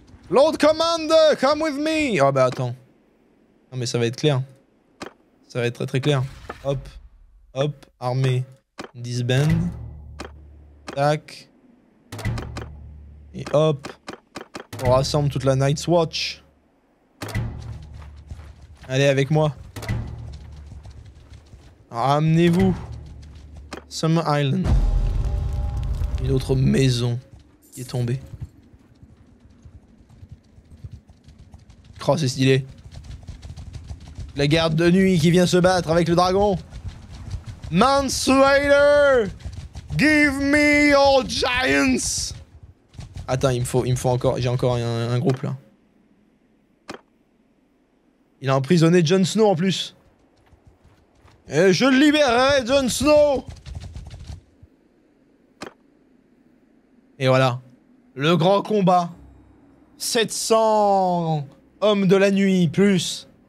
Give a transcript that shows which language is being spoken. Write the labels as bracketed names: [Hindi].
[English] Lord Commander, come with me! [French] Oh, bah attends. Non, mais ça va être clair. Ça va être très très clair. Hop, hop, armée, disband. Tac. Et hop, on rassemble toute la Night's Watch. Allez avec moi. Ramenez-vous. Summer Island. Une autre maison qui est tombée. Oh, c'est stylé. La garde de nuit qui vient se battre avec le dragon. [English] Manslayer, give me your giants. [French] Attends, il me faut encore, j'ai encore un groupe là. Il a emprisonné Jon Snow en plus. Et je libérerai Jon Snow. Et voilà, le grand combat. 700 hommes de la nuit plus.